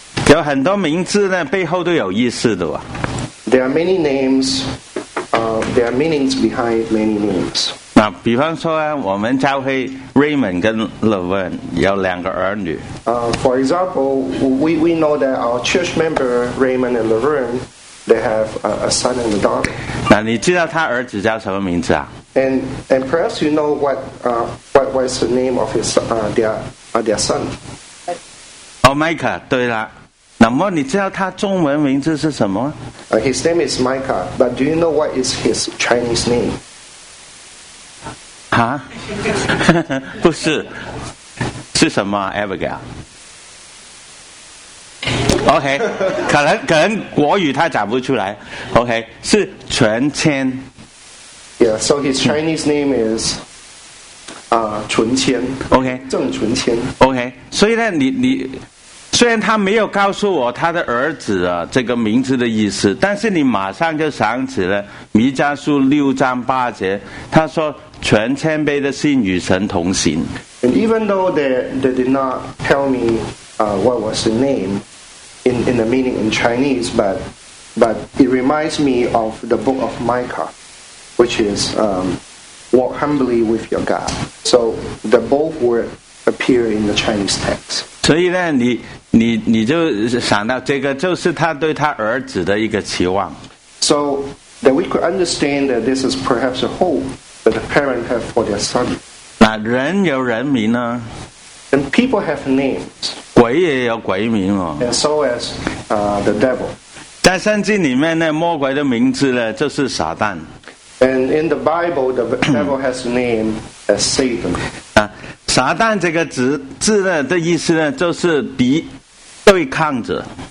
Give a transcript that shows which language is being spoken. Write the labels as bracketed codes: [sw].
[zh] 有很多名字呢，背后都有意思的哦。 [en] There are many names, there are meanings behind many names. [zh] 那比方说啊，我们教会 Raymond 跟 Laverne 有两个儿女。 [en] For example, we know that our church member Raymond and Laverne, they have a son and a daughter. [zh] 那你知道他儿子叫什么名字啊？ [en] And perhaps you know what was the name of his their son. [zh] Oh, Micah, 对了。那么你知道他中文名字是什么？ [en] His name is Micah, but do you know what is his Chinese name? [zh] 哈？不是，是什么 ？Abigail。 OK， 可能国语他讲不出来。 OK， 是纯谦。 [en] Yeah, so his Chinese name is 纯谦。 OK， [zh] 郑纯谦。 OK， 所以呢，你虽然他没有告诉我他的儿子啊这个名字的意思，但是你马上就想起了弥迦书六章八节，他说纯谦卑的心与神同行。 [en] And even though they did not tell me what was the name in the meaning in Chinese, but it reminds me of the book of Micah. Which is walk humbly with your God. So the both word appear in the Chinese text. [zh] 所以呢，你就想到这个，就是他对他儿子的一个期望。 [en] So that we could understand that this is perhaps a hope that the parent have for their son. [zh] 那人有人名呢 [en] ？And people have names. [zh] 鬼也有鬼名哦。 [en] And so as the devil. [zh] 在圣经里面呢，魔鬼的名字呢，就是撒旦。 [en] And in the Bible, the devil has a name as Satan. [zh] 啊，撒旦这个字呢的意思呢，就是敌，对抗者。